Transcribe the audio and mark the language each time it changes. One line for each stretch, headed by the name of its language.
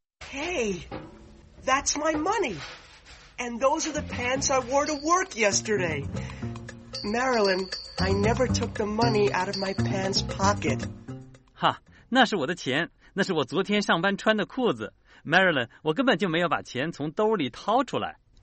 English: Hey, that's my money. And those are the pants I wore to work yesterday. Marilyn, I never took the money out of my pants pocket.
Chinese: 哈，那是我的钱，那是我昨天上班穿的裤子。 Marilyn, 我根本就没有把钱从兜里掏出来。